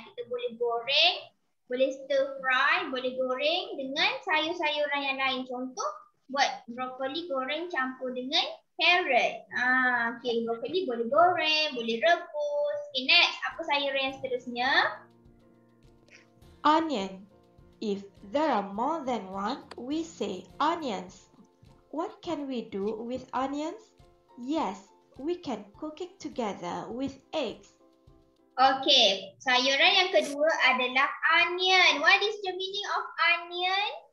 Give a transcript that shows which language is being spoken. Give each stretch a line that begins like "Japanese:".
Malay: Kita boleh goreng, boleh stir fry, boleh goreng dengan sayur-sayuran yang lain. Contoh, buat brokoli goreng campur dengan carrot. Okay, brokoli boleh goreng, boleh rebus.
English: Okay, next.
Malay: Apa sayur yang seterusnya?
English: Onion. If there are more than one, we say onions. What can we do with onions? Yes, we can cook it together with eggs.
Malay: Okay, sayuran yang kedua adalah onion.
English: What is the meaning of onion?